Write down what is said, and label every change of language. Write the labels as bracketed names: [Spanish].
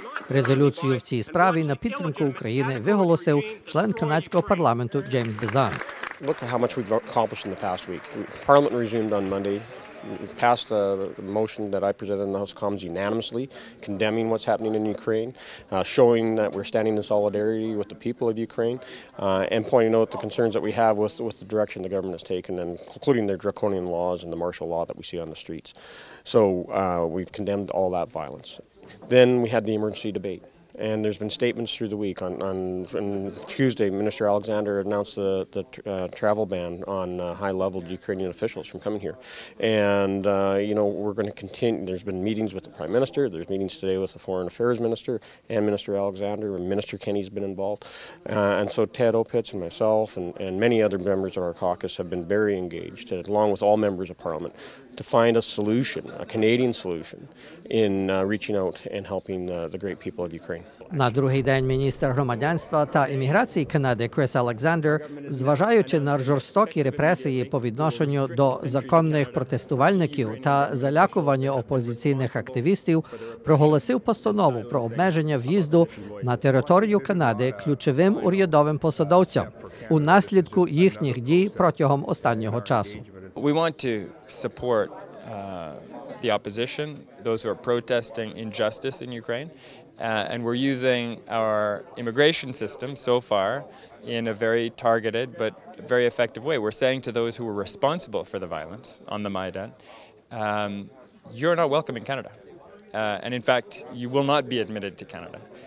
[Ukrainian] Резолюцію в цій справі на підтримку України виголосив член канадського парламенту Джеймс Бізан. [English] Look how much we've accomplished in the past week. Parliament resumed on Monday. We passed a motion that I presented in the House of Commons unanimously, condemning what's happening in Ukraine, showing that we're standing in solidarity with the people of Ukraine, and pointing out the concerns that we have with the direction the government has taken, and including their draconian laws and the martial law that we see on the streets. So we've condemned all that violence. Then we had the emergency debate. And there's been statements through the week. On Tuesday, Minister Alexander announced the travel ban on high-level Ukrainian officials from coming here. And, we're going to continue. There's been meetings with the Prime Minister. There's meetings today with the Foreign Affairs Minister and Minister Alexander. And Minister Kenney's been involved. And so Ted Opitz and myself and many other members of our caucus have been very engaged, along with all members of Parliament, to find a solution, a Canadian solution, in reaching out and helping the great people of Ukraine. [Ukrainian] На другий день міністр громадянства та імміграції Канади Кріс Александр, зважаючи на жорстокі репресії по відношенню до законних протестувальників та залякування опозиційних активістів, проголосив постанову про обмеження в'їзду на територію Канади ключовим урядовим посадовцям у наслідку їхніх дій протягом останнього часу. [English] We want to support the opposition, those who are protesting injustice in Ukraine, and we're using our immigration system so far in a very targeted but very effective way. We're saying to those who were responsible for the violence on the Maidan, you're not welcome in Canada, and in fact, you will not be admitted to Canada.